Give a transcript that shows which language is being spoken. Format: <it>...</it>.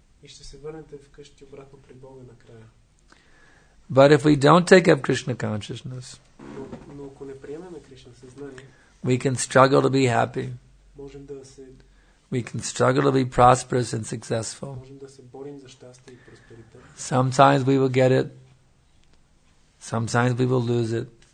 <bg>И ще се върнете вкъщи обратно при Бога накрая.</bg> <en>But if we don't take up Krishna consciousness,</en> <bg>но ако не приемем Кришна съзнание,</bg> <en>we can struggle to be happy.</en> <bg>Можем да се.</bg> <en>We can struggle to be prosperous and successful.</en> <bg>Можем да се борим за щастие и просперитет.</bg> <en>Sometimes we will get it. Sometimes we will lose it.</en>